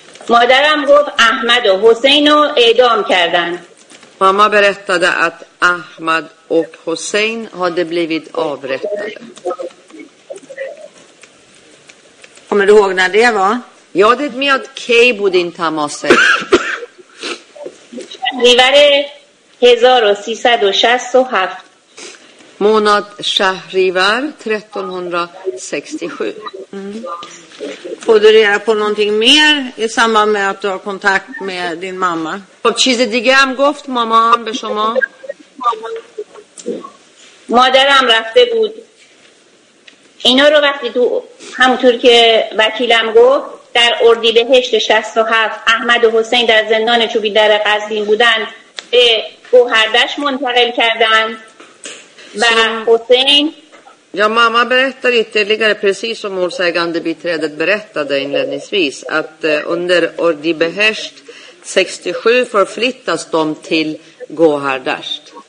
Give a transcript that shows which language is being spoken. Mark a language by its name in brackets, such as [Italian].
[Persian] مادرم گفت احمد و حسین رو اعدام کردن. [Swedish] Mamma berättade att Ahmad och Hussein hade blivit avrättade. Kommer du ihåg när det var? Ja, det med att Kay bodde i Tamase. Månad Shahrivar 1367. Får du reda på någonting mer i samband med att du har kontakt med din mamma? [Persian] چیز دیگه هم گفت مامان به شما؟ مادرم رفته بود اینا رو وقتی تو همونطور که وکیلم گفت در اردیبهشت 67 احمد و حسین در زندان چوبی در قزوین بودن به گوهردشت منتقل کردن و حسین [Swedish] Ja, mamma berättar ytterligare, precis som målsägande biträdet berättade inledningsvis, att under Ordi Behesht 67 förflyttas de till Gohardasht.